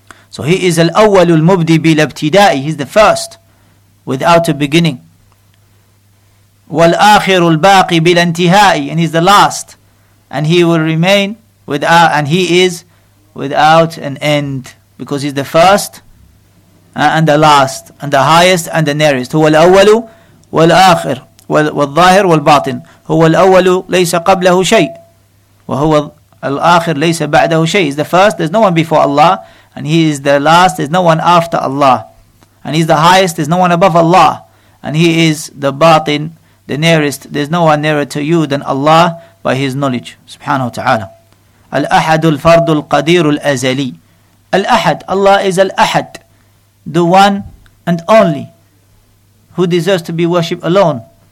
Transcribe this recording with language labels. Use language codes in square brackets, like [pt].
[en] So he is al-awwalul mubdi bil ibtida'i, he's the first without a beginning. [ar] وَالْآخِرُ الْبَاقِ بِالْأَنْتِهَاءِ, [en] and he's the last, and he will remain without, and he is without an end, because he's the first and the last and the highest and the nearest. [ar] هو الأول والآخر والظاهر والباطن. هو الأول ليس قبله شيء وهو الآخر ليس بعده شيء. [en] He's the first, there's no one before Allah, and he is the last, there's no one after Allah, and he's the highest, there's no one above Allah, and he is the باطن, the nearest, there's no one nearer to you than Allah by his knowledge, subhanahu wa ta'ala. Al-Ahad al-Fard al-Qadir al-Azali. Al-Ahad, Allah is al-Ahad, the one and only, who deserves to be worshipped alone.